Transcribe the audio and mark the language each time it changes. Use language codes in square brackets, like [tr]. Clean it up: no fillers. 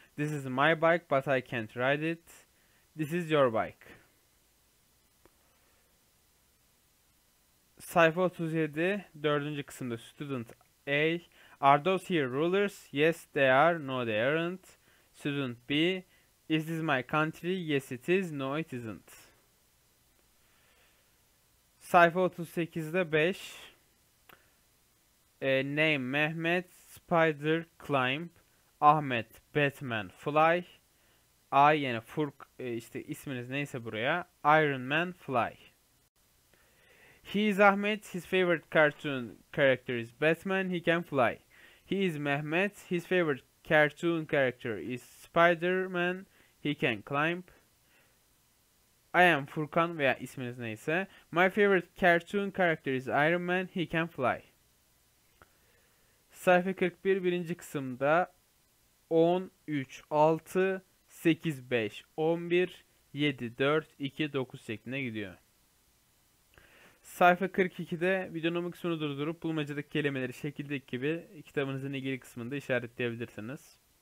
[en] This is my bike, but I can't ride it. This is your bike. [tr] Sayfa 37, dördüncü kısımda [en] student A. Are those here rulers? Yes, they are. No, they aren't. Student B. Is this my country? Yes, it is. No, it isn't. [tr] Sayfa 38'de 5. [en] Name Mehmet, Spider Climb. Ahmet, Batman Fly. [tr] I, yani Furk, işte isminiz neyse buraya. [en] Iron Man Fly. He is Ahmet. His favorite cartoon character is Batman. He can fly. He is Mehmet. His favorite cartoon character is Spider-Man. He can climb. I am Furkan [tr] veya isminiz neyse. [en] My favorite cartoon character is Iron Man. He can fly. [tr] Sayfa 41 birinci kısımda 10, 3, 6, 8, 5, 11, 7, 4, 2, 9 şeklinde gidiyor. Sayfa 42'de videonun bu kısmını durdurup bulmacadaki kelimeleri şekildeki gibi kitabınızın ilgili kısmında işaretleyebilirsiniz.